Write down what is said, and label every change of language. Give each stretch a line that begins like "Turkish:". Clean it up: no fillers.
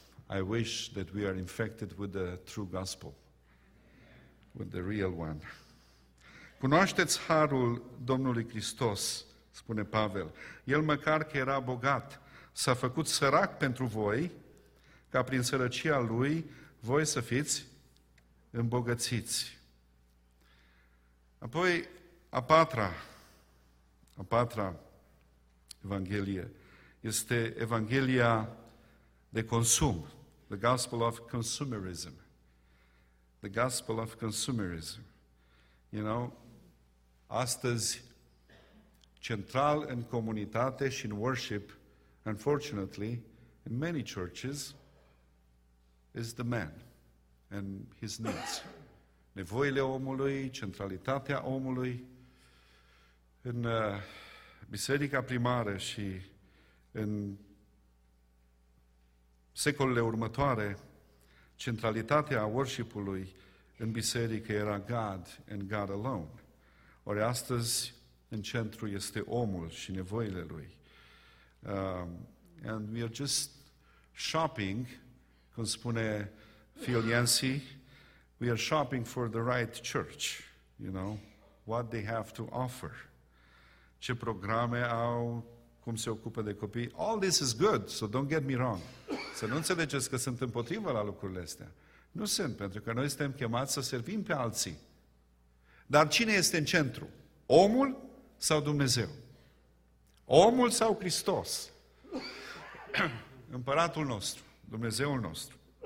English: I wish that we are infected with the true gospel, with the real one.
Romanian: Cunoașteți harul Domnului Hristos, spune Pavel. El măcar că era bogat, s-a făcut sărac pentru voi, ca prin sărăcia lui, voi să fiți îmbogățiți. Apoi, a patra evanghelie este evanghelia de consum,
English: the gospel of consumerism. The gospel of consumerism. You know,
Romanian: astăzi, central în comunitate și în worship,
English: unfortunately, in many churches, is the man and his needs.
Romanian: Nevoile omului, centralitatea omului, în biserica primară și în secolele următoare, centralitatea worship-ului în biserică era
English: God and God alone.
Romanian: Ori astăzi, în centru este omul și nevoile lui.
English: And we are just shopping,
Romanian: cum spune
English: Phil Yancey, we are shopping for the right church, you know, what they have to offer.
Romanian: Ce programe au, cum se ocupă de copii.
English: All this is good, so don't get me wrong.
Romanian: Să nu înțelegeți că sunt împotrivă la lucrurile astea. Nu sunt, pentru că noi suntem chemați să servim pe alții. Dar cine este în centru? Omul sau Dumnezeu? Omul sau Hristos? Împăratul nostru, Dumnezeul nostru.